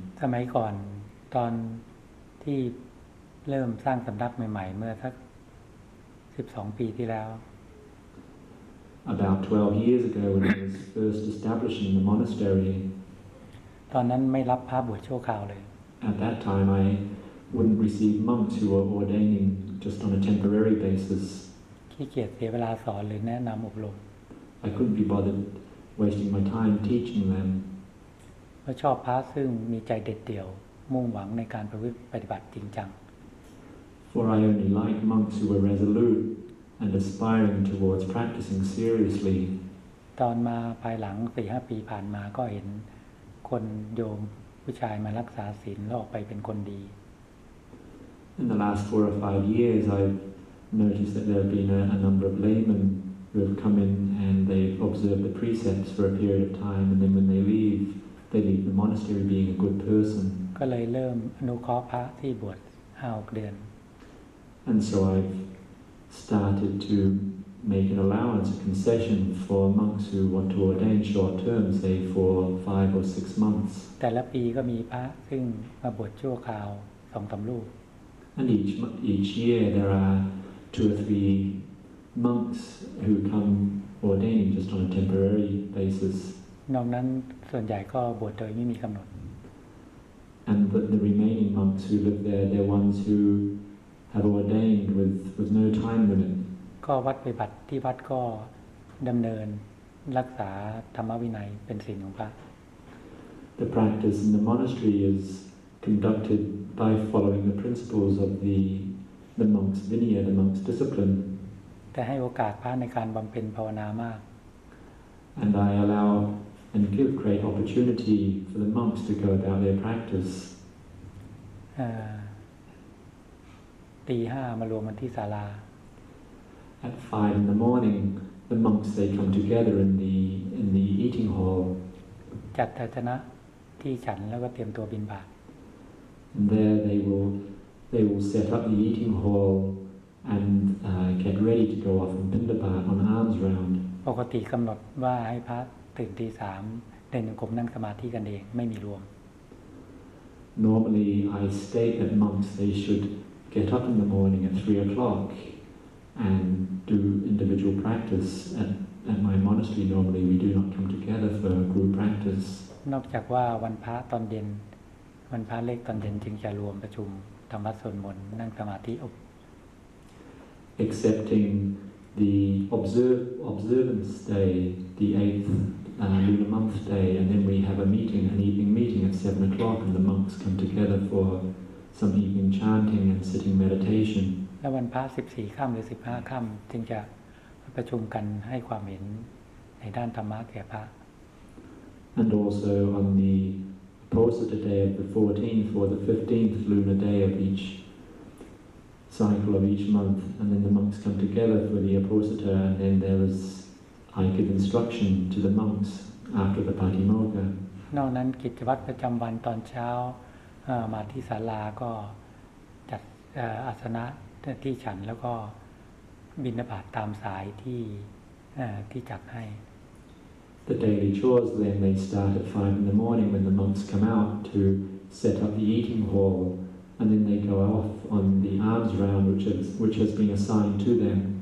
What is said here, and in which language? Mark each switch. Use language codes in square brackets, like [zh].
[th] สมัยก่อนตอนที่เริ่มสร้างสำนักใหม่ๆเมื่อสัก12ปีที่แล้ว [en] About 12 years ago when I was first establishing the monastery [th] ตอนนั้นไม่รับพระบวชชั่วคราวเลย [en] At that time I wouldn't receive monks who were ordaining just on a temporary basis [th] ขี้เกียจเสียเวลาสอนหรือแนะนำอบรม [en] I couldn't be bothered wasting my time teaching them [th] เพราะชอบพระซึ่งมีใจเด็ดเดี่ยวมุ่งหวังในการปฏิบัติจริงจัง [en] For I only like monks who are resolute and aspiring towards practicing seriously. [th] ตอนมาภายหลัง 4-5 ปีผ่านมาก็เห็นคนโยมผู้ชายมารักษาศีลแล้วออกไปเป็นคนดี [en] In the last 4-5 years, I've noticed that there have been a number of laymen who have come in and they've observed the precepts for a period of time and then when they leave the monastery being a good person. [th] ก็เลยเริ่มอนุเคราะห์พระที่บวช 5-6 เดือน [en] And so I've started to make an allowance, a concession for monks who want to ordain short term, say for 5 or 6 months. [th] แต่ละปีก็มีพระซึ่งมาบวชชั่วคราว2-3 รูป [en] And each year there are 2 or 3 monks who come ordaining just on a temporary basis. [th] นอกนั้นส่วนใหญ่ก็บวชโดยไม่มีกำหนด [en] And the remaining monks who live there, they're ones whohave ordained with no time limit [th] ก็วัดปฏิบัติที่วัดก็ดำเนินรักษาธรรมวินัยเป็นศีลของพระ [en] The practice in the monastery is conducted by following the principles of the monk's vinaya the monk's discipline [th] แต่ให้โอกาสพระในการบำเพ็ญภาวนามาก [en] And I allow and give great opportunity for the monks to go about their practice [th] ตีห้ามารวมกันที่ศาลา [en] At 5 in the morning, the monks they come together in the eating hall. [th] จัดทัชนะที่ฉันแล้วก็เตรียมตัวบิณฑบาต [en] And there they will set up the eating hall and get ready to go off and bindabat on arms round. [th] ปกติกำหนดว่าให้พระตื่นตีสามเดินจงกรมนั่งสมาธิกันเองไม่มีรวม [en] Normally I state that monks they should get up in the morning at 3 o'clock and do individual practice at my monastery normally we do not come together for group practice [th] นอกจากว่าวันพระตอนเย็นวันพระเล็กตอนเย็นจึงจะรวมประชุมธรรมะสวดมนต์นั่งสมาธิอบ [en] Excepting the observance day the 8thLunar month day, and then we have a meeting, an evening meeting at 7 o'clock, and the monks come together for some evening chanting and sitting meditation. [th] แล้ววันพระ14ค่ำหรือ15ค่ำจึงจะประชุมกันให้ความเห็นในด้านธรรมะแก่พระ [en] And also on the Posita day of the 14th or the 15th lunar day of each cycle of each month, and then the monks come together for the Posita, and then there isI give instruction to the monks after the Patimokkha. [th] นอกนั้นกิจวัตรประจำวันตอนเช้ามาที่ศาลาก็จัดอาสนะที่ฉันแล้วก็บิณฑบาตตามสายที่จัดให้ [en] The daily chores then they start at 5 in the morning when the monks come out to set up the eating hall and then they go off on the alms round which has been assigned to them